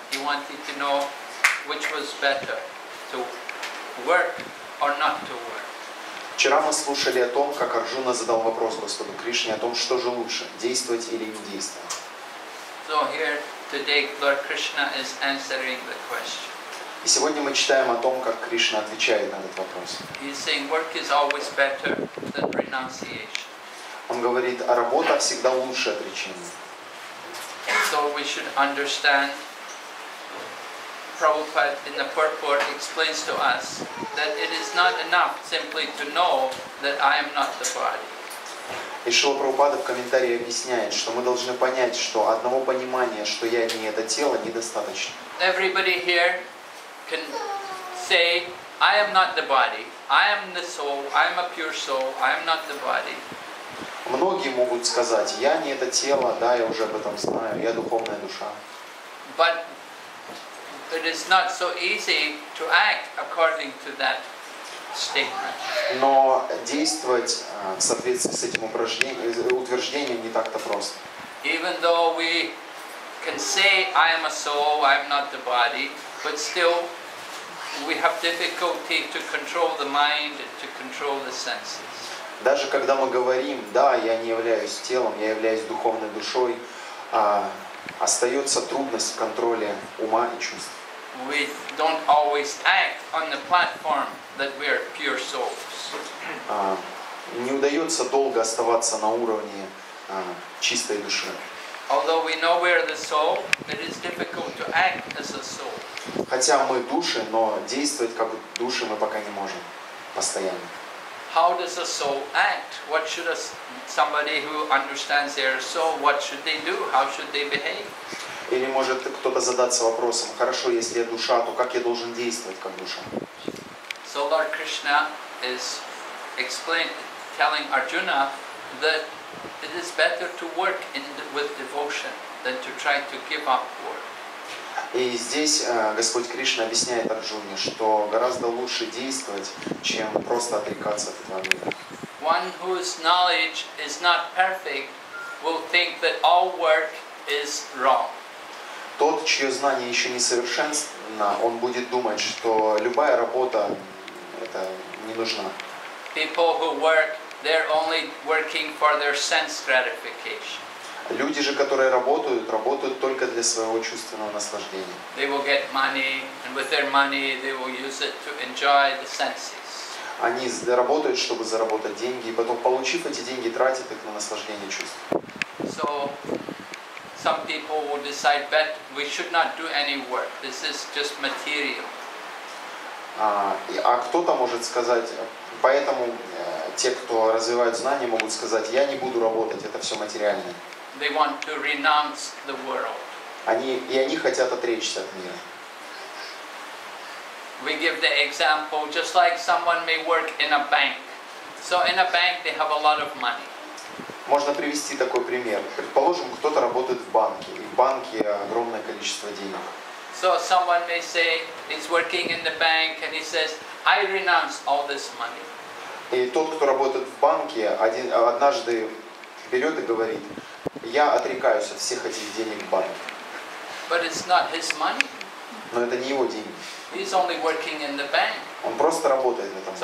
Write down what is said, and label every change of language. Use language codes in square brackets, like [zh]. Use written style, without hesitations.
[en] He wanted to know which was better, to work or not to work. [ru] Вчера мы слушали о том, как Арджуна задал вопрос Господу Кришне о том, что же лучше, действовать или не действовать. [en] So here today Lord Krishna is answering the question. [ru] И сегодня мы читаем о том, как Кришна отвечает на этот вопрос. [en] He's saying work is always better than renunciation. [ru] Он говорит, а работа всегда лучше отречения. [en] So we should understand Prabhupada in the purport explains to us that it is not enough simply to know that I am not the body. [ru] И Шрила Прабхупада в комментарии объясняет, что мы должны понять, что одного понимания, что я не это тело, недостаточно. [en] Everybody here can say, I am not the body. I am the soul. I am a pure soul. I am not the body. [ru] Многие могут сказать, я не это тело, да, я уже об этом знаю, я духовная душа. [en] But it is not so easy to act according to that statement. [ru] Но действовать в соответствии с этим утверждением не так-то просто. [en] Even though we can say I am a soul, I am not the body, but still we have difficulty to control the mind, to control the senses. [ru] Даже когда мы говорим, да, я не являюсь телом, я являюсь духовной душой, остается трудность в контроле ума и чувств. [en] We don't always act on the platform that we are pure souls. [ru] Не удается долго оставаться на уровне чистой души. [en] Although we know we are the soul, it is difficult to act as a soul. [ru] Хотя мы души, но действовать как души мы пока не можем постоянно. [en] How does a soul act? What should somebody who understands their soul, what should they do? How should they behave? [ru] Или может кто-то задаться вопросом, хорошо, если я душа, то как я должен действовать как душа? [en] So Lord Krishna is telling Arjuna that it is better to work with devotion than to try to give up work. [ru] И здесь Господь Кришна объясняет Арджуне, что гораздо лучше действовать, чем просто отрекаться от этого мира. [en] One whose knowledge is not perfect will think that all work is wrong. [ru] Тот, чье знание еще не совершенно, он будет думать, что любая работа это не нужна. [en] People who work, they're only working for their sense gratification. [ru] Люди же, которые работают, работают только для своего чувственного наслаждения. [en] They will get money, and with their money they will use it to enjoy the senses. [ru] Они работают, чтобы заработать деньги, и потом, получив эти деньги, тратят их на наслаждение чувств. [en] So, some people will decide that we should not do any work. This is just material. [ru] А кто-то может сказать, поэтому те, кто развивают знания, могут сказать, я не буду работать, это все материально. [en] They want to renounce the world. [ru] Они хотят отречься от мира. [en] We give the example, just like someone may work in a bank. So in a bank they have a lot of money. [ru] Можно привести такой пример. Предположим, кто-то работает в банке, и в банке огромное количество денег. [en] So someone may say, he's working in the bank, and he says, I renounce all this money. [ru] И тот, кто работает в банке, однажды берет и говорит: я отрекаюсь от всех этих денег в банке. [en] But it's not his money. [ru] Но это не его деньги. [en] He's only working in the bank. [ru] Он просто работает в этом банке.